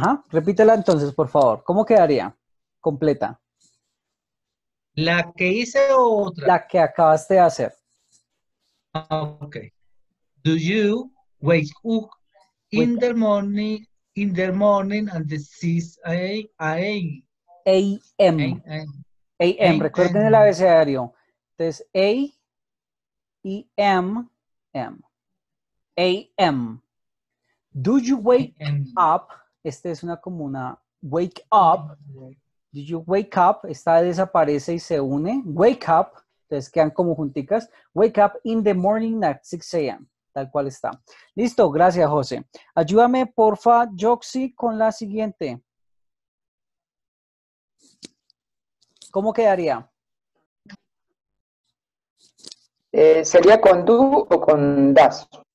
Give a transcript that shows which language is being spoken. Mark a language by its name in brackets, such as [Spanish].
[Spanish] Repítela entonces, por favor. ¿Cómo quedaría? Completa. ¿La que hice o otra? La que acabaste de hacer. Ok. [English] Do you wake up in the morning, at 6 a.m.? A.M. A.M. [Spanish] Recuerden el abecedario. Entonces, A, E, M, M. A, M. [English] Do you wake up? [Spanish] Este es una como una [English] wake up. Do you wake up? [Spanish] Esta desaparece y se une. Wake up. Entonces, quedan como junticas. [English] Wake up in the morning at 6 a.m. [Spanish] Tal cual está. Listo. Gracias, José. Ayúdame, porfa, Joxy, con la siguiente. ¿Cómo quedaría? Sería con do o con das.